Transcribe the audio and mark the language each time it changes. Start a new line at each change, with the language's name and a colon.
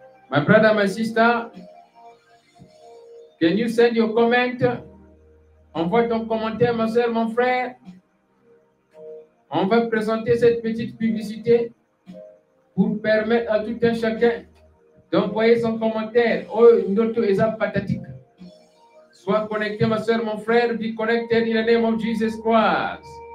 English: My brother, my sister, can you send your comment?
French: Envoie ton commentaire, ma soeur, mon frère. On va présenter cette petite publicité pour permettre à tout un chacun d'envoyer son commentaire. Oh, notre esap pathétique. Sois connecté, ma soeur, mon frère.
English: Be connected in the name of Jesus Christ.